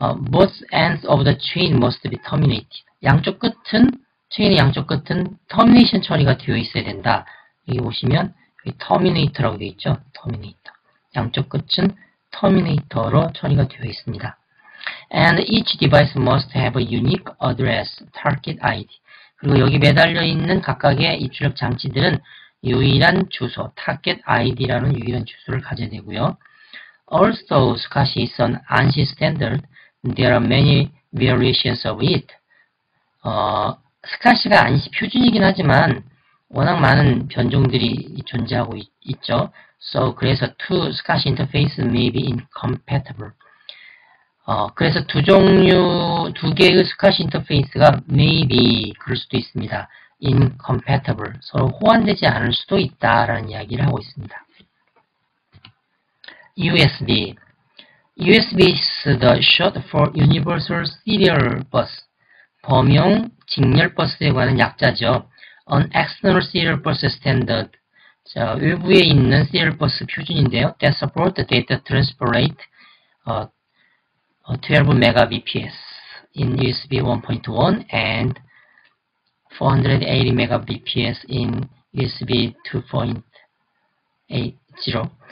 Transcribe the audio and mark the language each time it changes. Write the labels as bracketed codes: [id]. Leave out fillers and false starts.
[en] Both ends of the chain must be terminated. [ko] 양쪽 끝은 체인의 양쪽 끝은 터미네이션 처리가 되어 있어야 된다. 여기 보시면 여기 터미네이터라고 되어 있죠. 터미네이터. 양쪽 끝은 터미네이터로 처리가 되어 있습니다. [en] And each device must have a unique address, target ID. [ko] 그리고 여기 매달려 있는 각각의 입출력 장치들은 유일한 주소, target ID라는 유일한 주소를 가져야 되고요. [en] Also, SCSI is an ANSI standard. There are many variations of it. [ko] SCSI가 ANSI 표준이긴 하지만 워낙 많은 변종들이 존재하고 있죠. [en] So, [ko] 그래서 [en] two SCSI interfaces may be incompatible. [ko] 그래서 두 종류, 두 개의 SCSI 인터페이스가 maybe 그럴 수도 있습니다. [en] incompatible. [ko] 서로 호환되지 않을 수도 있다. 라는 이야기를 하고 있습니다. [en] USB. USB is the short for Universal Serial Bus. [ko] 범용 직렬 버스에 관한 약자죠. [en] An external serial bus standard. [ko] 자, 외부에 있는 serial bus 표준인데요. [en] That supports data transfer rate. 12 Mbps in USB 1.1 and 480 Mbps in USB 2.0.